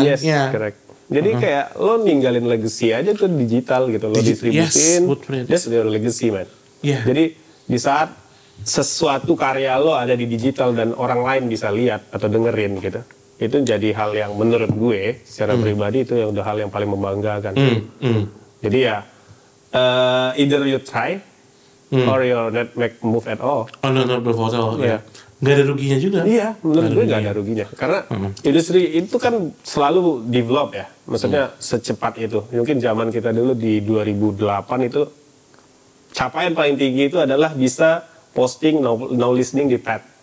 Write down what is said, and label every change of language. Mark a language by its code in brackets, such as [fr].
[id] Yes, correct. Jadi kayak lo ninggalin legacy aja tuh digital gitu. Lo distribusin. [en] Yes, that's your legacy, man. Yeah. [id] Jadi, di saat... sesuatu karya lo ada di digital dan orang lain bisa lihat atau dengerin gitu, itu jadi hal yang menurut gue secara pribadi itu yang udah hal yang paling membanggakan. [en] Jadi ya either you try or you're not make move at all. Oh no, not move at all. Yeah. Gak ada ruginya juga. [id] Iya, menurut gue gak ada ruginya. Karena industri itu kan selalu develop ya. Maksudnya secepat itu. Mungkin zaman kita dulu di 2008 itu capaian paling tinggi itu adalah bisa posting no listening di pad.